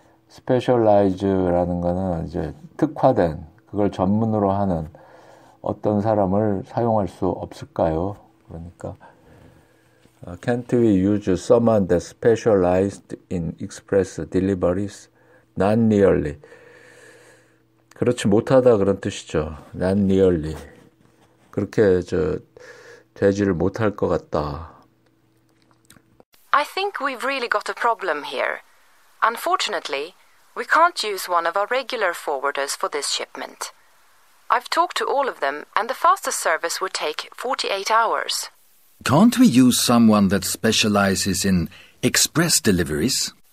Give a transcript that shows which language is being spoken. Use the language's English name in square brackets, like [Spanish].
[Korean] 스페셜라이즈라는 거는 이제 특화된 그걸 전문으로 하는 어떤 사람을 사용할 수 없을까요? 그러니까 [English] Can't we use someone that specialized in express deliveries? Not nearly. [Korean] 그렇지 못하다 그런 뜻이죠. [English] Not nearly. [Korean] 그렇게 저 되지를 못할 것 같다. [English] I think we've really got a problem here. Unfortunately, we can't use one of our regular forwarders for this shipment. I've talked to all of them, and the fastest service would take 48 hours. Can't we use someone that specializes in express deliveries?